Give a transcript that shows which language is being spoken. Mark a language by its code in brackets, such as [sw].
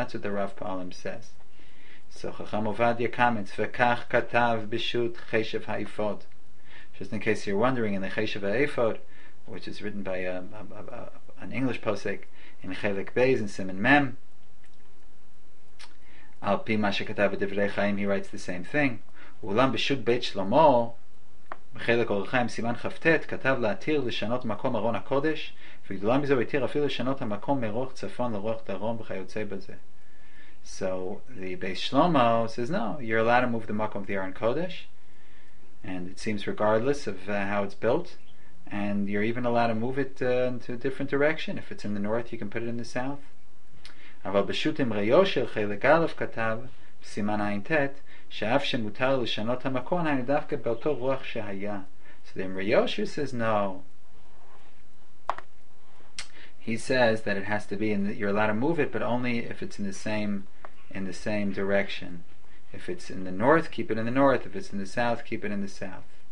[en] That's what the Rav Palam says. So Chacham Ovadia comments, [he] V'kach katav b'shut cheshev ha'ifod. [en] Just in case you're wondering, in the cheshev ha'ifod, which is written by an English posek, in Chelek Beis and Siman Mem, [he] al pi ma shekatav v'divrei chayim, [en] he writes the same thing. [he] Ulam b'shut Beit Shlomo, בחלק אורחיים סימן חפטט כתב להתיר לשנות מקום ארון הקודש וגדולה מזו התיר אפילו לשנות המקום מרוח צפון לרוח דרום וכיוצא בזה. [en] So the Beis Shlomo says, no, you're allowed to move the makom of the Aron Kodesh, and it seems regardless of how it's built, and you're even allowed to move it into a different direction. If it's in the north, you can put it in the south. [he] אבל בשוט אמריו של חלק א' כתב סימן ע'ט שאף שמותר לשנות המקום היינו דווקא באותו רוח שהיה. [en] So the Imre Yosher says no. He says that it has to be in the, you're allowed to move it, but only if it's in the same direction. If it's in the north, keep it in the north. If it's in the south, keep it in the south.